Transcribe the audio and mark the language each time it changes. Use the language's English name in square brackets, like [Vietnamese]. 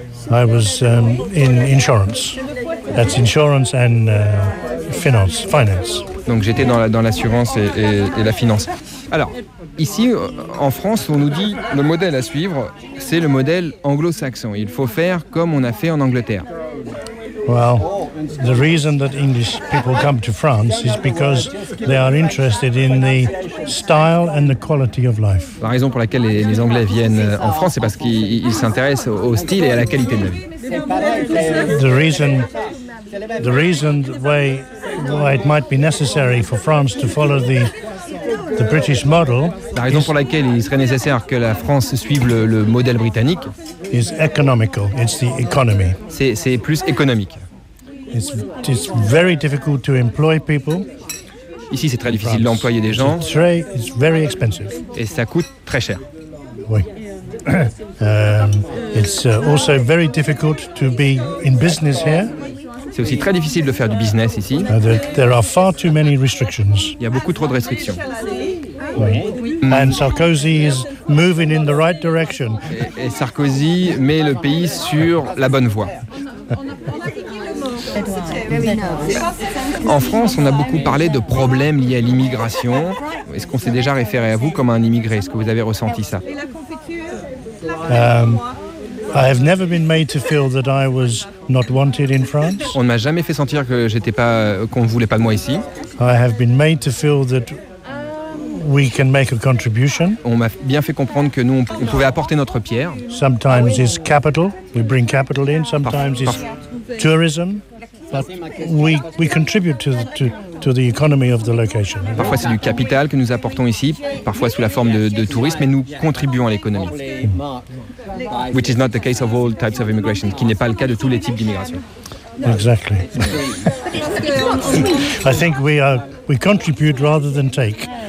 [English] I was in insurance. That's insurance and finance. [French] Donc j'étais dans l'assurance et la finance. Alors, ici en France, on nous dit le modèle à suivre, c'est le modèle anglo-saxon. Il faut faire comme on a fait en Angleterre. [English] Well, the reason that English people come to France is because they are interested in the style and the quality of life. [French] La raison pour laquelle les Anglais viennent en France, c'est parce qu'ils s'intéressent au style et à la qualité de vie. [English] The reason why why it might be necessary for France to follow the British model. [French] La raison pour laquelle il serait nécessaire que la France suive le modèle britannique [English] is economical. It's the economy. [French] C'est plus économique. [English] It's very difficult to employ people. [French] Ici, c'est très difficile d'employer des gens. [English] It's very expensive. [French] Et ça coûte très cher. Oui. [English] It's also very difficult to be in business here. [French] C'est aussi très difficile de faire du business ici. [English] There are far too many restrictions. [French] Il y a beaucoup trop de restrictions. Oui. Mm. [English] And Sarkozy is moving in the right direction. [French] Et Sarkozy met le pays sur la bonne voie. En France, on a beaucoup parlé de problèmes liés à l'immigration. Est-ce qu'on s'est déjà référé à vous comme un immigré? Est-ce que vous avez ressenti ça? [English] I have never been made to feel that I was not wanted in France. [French] On ne m'a jamais fait sentir que j'étais pas, qu'on ne voulait pas de moi ici. [English] I have been made to feel that we can make a contribution. [French] On m'a bien fait comprendre que nous, on pouvait apporter notre pierre. [English] Sometimes it's capital. We bring capital in. Sometimes it's tourism. But we contribute to the economy of the location. [French] Parfois c'est du capital que nous apportons ici, parfois sous la forme de tourisme, mais nous contribuons à l'économie. Mm. [English] Which is not the case of all types of immigration, [French] qui n'est pas le cas de tous les types d'immigration. [English] Exactly. I think we contribute rather than take.